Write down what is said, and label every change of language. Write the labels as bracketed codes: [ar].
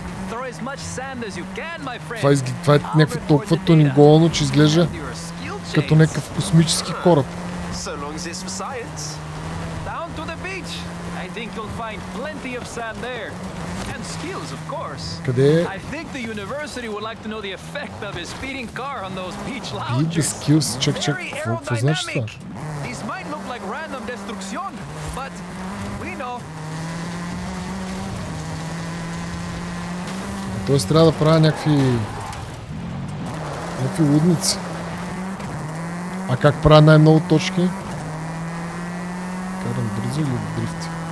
[en] Throw as much sand as you can, my friend! [bg] Това, това е някакво толкова тунинголно, че изглежда като някакъв космически кораб. [en] So long as it's for science. Down to the beach! I think you'll find plenty of sand there. And skills, of course. [bg] Къде е? [en] I think the university would like to know the effect of his speeding car on those beach loungers. [bg] Skills, чак, чак, какво значи това? [en] This might look like random destruction, but we know. [bg] Тоест трябва да правя някакви... някакви лудници. А как правя най-много точки? Карам бързо или дрифт?